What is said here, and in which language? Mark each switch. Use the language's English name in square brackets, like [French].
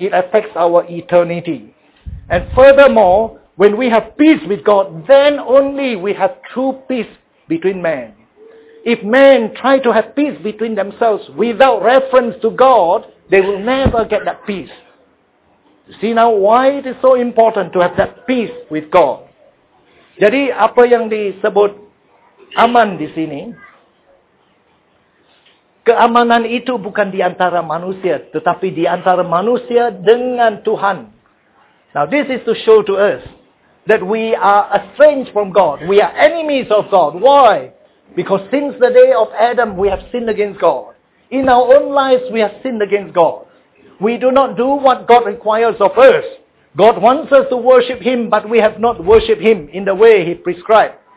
[English] It affects our eternity. And furthermore, when we have peace with God, then only we have true peace between men. If men try to have peace between themselves without reference to God, they will never get that peace. See now why it is so important to have that peace with God. [Malay] Jadi apa yang disebut aman di sini, keamanan itu bukan di antara manusia, tetapi di antara manusia dengan Tuhan. [English] Now this is to show to us that we are estranged from God. We are enemies of God. Why? Because since the day of Adam, we have sinned against God. In our own lives, we have sinned against God. We do not do what God requires of us. God wants us to worship Him, but we have not worshipped Him in the way He prescribed.